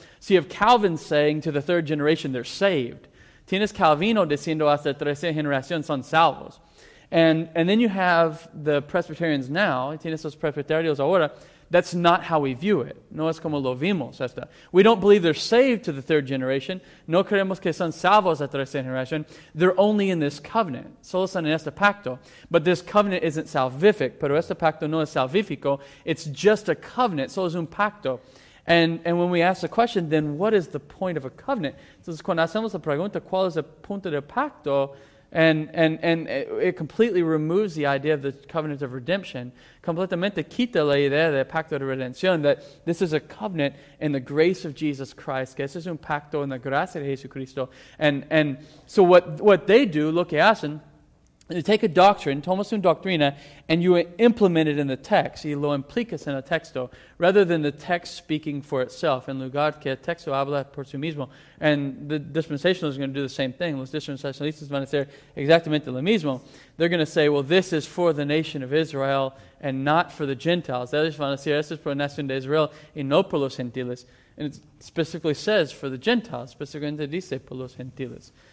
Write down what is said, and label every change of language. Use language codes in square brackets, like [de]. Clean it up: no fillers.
[en] So you have Calvin saying to the third generation, they're saved. [es] Tienes Calvino diciendo hasta tercera generación son salvos. [en] And then you have the Presbyterians now, [es] tienes los Presbyterios ahora. [en] That's not how we view it. [es] No es como lo vimos esta. [en] We don't believe they're saved to the third generation. [es] No creemos que son salvos a tercera generación. [en] They're only in this covenant. [es] Solo están en este pacto. [en] But this covenant isn't salvific. [es] Pero este pacto no es salvifico. [en] It's just a covenant. [es] Solo es un pacto. [en] And when we ask the question, then what is the point of a covenant? [es] Entonces cuando hacemos la pregunta, ¿cuál es el punto del pacto? [en] And it completely removes the idea of the covenant of redemption. [es] Completamente quita la idea del pacto de redención, [en] that this is a covenant in the grace of Jesus Christ, [es] que este es un pacto en la gracia de Jesucristo. [en] And so what they do, [es] lo que hacen, [en] you take a doctrine, [es] tomas una doctrina, [en] and you implement it in the text, [es] y lo implicas en el texto, [en] rather than the text speaking for itself, [es] en lugar que el texto habla por sí mismo. [en] And the dispensationalists are going to do the same thing. [es] Los dispensationalistas van a hacer exactamente lo mismo. [en] They're going to say, well, this is for the nation of Israel and not for the Gentiles. [es] Ellos van a decir, esto es por la nación de Israel y no por los gentiles. [en] And it specifically says for the Gentiles, specifically [es] dice por los gentiles.